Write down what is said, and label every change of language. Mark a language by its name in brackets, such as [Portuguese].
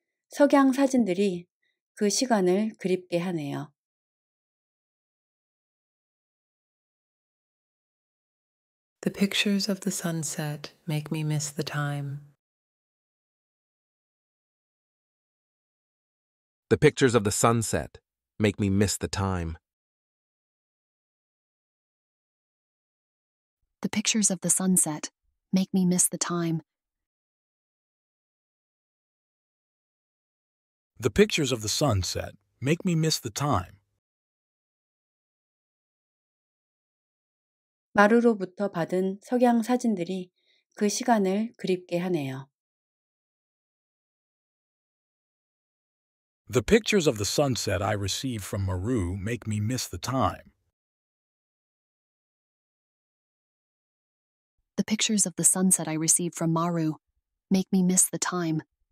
[Korean] 석양 사진들이 그 시간을 그립게 하네요. [English] The pictures of the sunset make me miss the time. The pictures of the sunset make me miss the time. The pictures of the sunset make me miss the time. The pictures of the sunset make me miss the time. [Korean] 마루로부터 받은 석양 사진들이 그 시간을 그립게 하네요. [English] The pictures of the sunset I received from Maru make me miss the time. The pictures of the sunset I received from Maru make me miss the time.